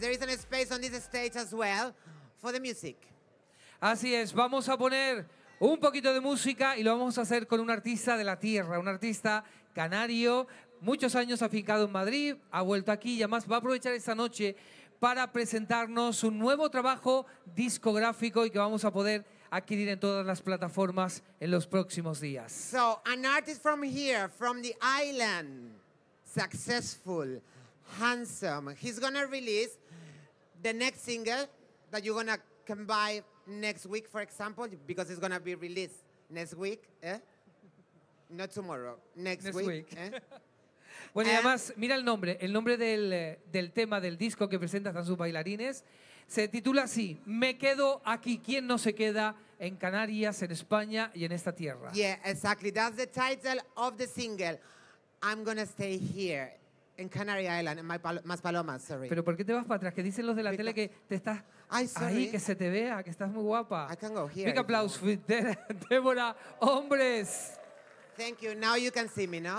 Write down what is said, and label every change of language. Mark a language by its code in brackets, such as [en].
[en] There is a space on this stage as well for the music. [es] Así es, vamos a poner un poquito de música y lo vamos a hacer con un artista de la tierra, un artista canario, muchos años afincado en Madrid, ha vuelto aquí y además va a aprovechar esta noche para presentarnos un nuevo trabajo discográfico y que vamos a poder adquirir en todas las plataformas en los próximos días. [en] So, an artist from here, from the island. Successful, handsome. He's gonna release the next single that you're gonna come by next week, for example, because it's gonna be released next week. Eh? Not tomorrow, next week. [es] Eh? Bueno, y además, mira el nombre. El nombre del tema del disco que presentas a sus bailarines se titula así: Me quedo aquí. ¿Quién no se queda en Canarias, en España y en esta tierra? [en] Yeah, exactly. That's the title of the single. I'm gonna stay here in Canary Island, in Maspalomas, sorry. [es] Pero ¿por qué te vas para atrás? Que dicen los de la Because, tele que te estás ahí, que se te vea, que estás muy guapa. [en] I can go here. Big applause, Débora, hombres. Thank you. Now you can see me, no?